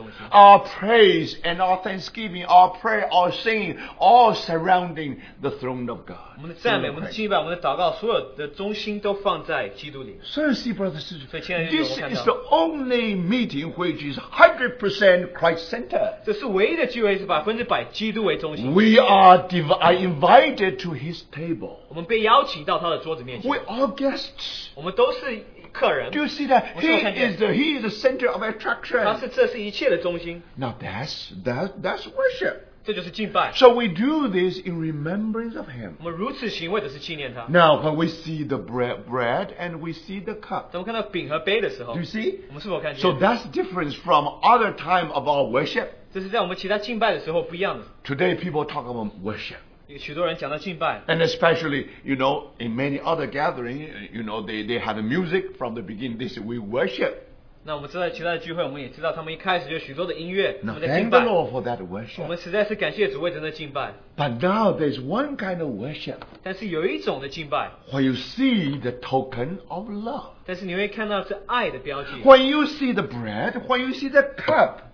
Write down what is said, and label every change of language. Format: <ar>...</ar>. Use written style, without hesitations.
<en>Our praise and our thanksgiving, our prayer, our singing, all surrounding the throne of God.</en> <zh>我们的赞美，我们的敬拜，我们的祷告，所有的中心都放在基督里。</zh> <en>So you see, brothers and sisters, this is the only meeting which is 100% Christ-centered.</en> <zh>这是唯一的聚会，是百分之百基督为中心。</zh> <en>We are invited to His table.</en> <zh>我们被邀请到他的桌子面前。</zh> <en>We are guests.</en> <zh>我们都是</zh> <en>Do you see that? He is the center of attraction.</en> <zh>他是这是一切的中心.</zh> <en>Now that's worship.</en> <zh>这就是敬拜.</zh> <en>So we do this in remembrance of him.</en> <zh>我们如此行为的是纪念他.</zh> <en>Now when we see the bread and we see the cup.</en> <zh>当我们看到饼和杯的时候,</zh> <en>do you see?</en> <zh>我们是否看见?</zh> <en>So that's different from other time of our worship.</en> <zh>这是在我们其他敬拜的时候不一样的.</zh> <en>Today people talk about worship.</en> <zh>许多人讲到敬拜,</zh> <en>and especially, you know, in many other gatherings, you know, they have music from the beginning. They say, we worship.</en> <zh>那我们知道其他的聚会, 我们也知道他们一开始就有许多的音乐,</zh> <en>now, thank the Lord for that worship.</en> <zh>我们实在是感谢主为这样的敬拜。</zh> <en>But now there's one kind of worship.</en> <zh>但是有一种的敬拜,</zh> <en>when you see the token of love.</en> <zh>但是你会看到是爱的标记,</zh> <en>when you see the bread, when you see the cup.</en>